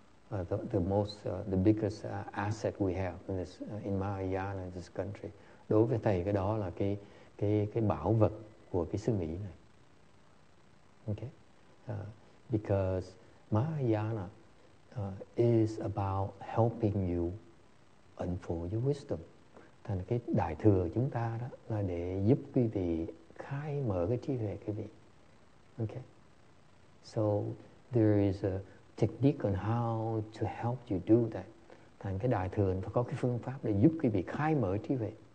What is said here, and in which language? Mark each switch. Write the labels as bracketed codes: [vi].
[en] The biggest asset we have in this in Mahayana in this country. [vi] Đối với thầy cái đó là cái bảo vật của cái xứ Mỹ này. [en] Okay. Because Mahayana is about helping you unfold your wisdom. [vi] Thành cái đại thừa chúng ta đó là để giúp quý vị khai mở cái trí huệ quý vị. [en] Okay. So there is a technique on how to help you do that. [vi] Thành cái đại thừa phải có cái phương pháp để giúp quý vị khai mở trí huệ.